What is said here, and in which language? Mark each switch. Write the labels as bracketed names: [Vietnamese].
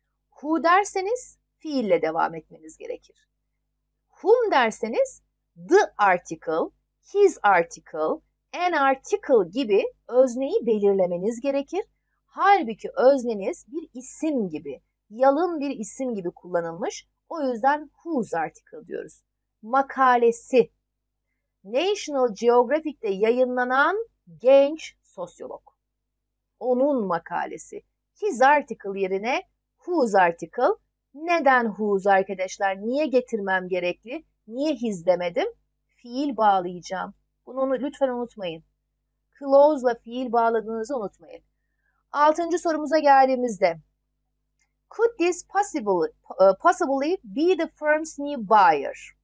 [Turkish] Who derseniz fiille devam etmeniz gerekir. Whom derseniz [English] the article, his article, an article [Turkish] gibi özneyi belirlemeniz gerekir. Halbuki özneniz bir isim gibi, yalın bir isim gibi kullanılmış. O yüzden whose article diyoruz. Makalesi. National Geographic'te yayınlanan genç sosyolog. Onun makalesi. His article yerine whose article. Neden whose arkadaşlar? Niye getirmem gerekli? Niye his demedim? Fiil bağlayacağım. Bunu lütfen unutmayın. Clause'la fiil bağladığınızı unutmayın. Altıncı sorumuza geldiğimizde. [English] Could this possibly be the firm's new buyer?